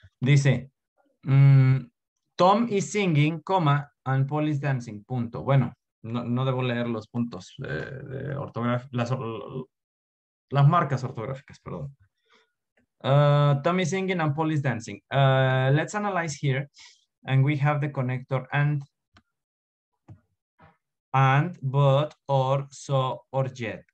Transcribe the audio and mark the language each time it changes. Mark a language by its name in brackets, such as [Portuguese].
[English] Dice, Tom is singing, coma, and Paul is dancing, punto. [Spanish] Bueno, no debo leer los puntos de ortografía, las marcas ortográficas, perdón. [English] Tom is singing and Paul is dancing. Let's analyze here, and we have the connector and, but, or, so, or, yet.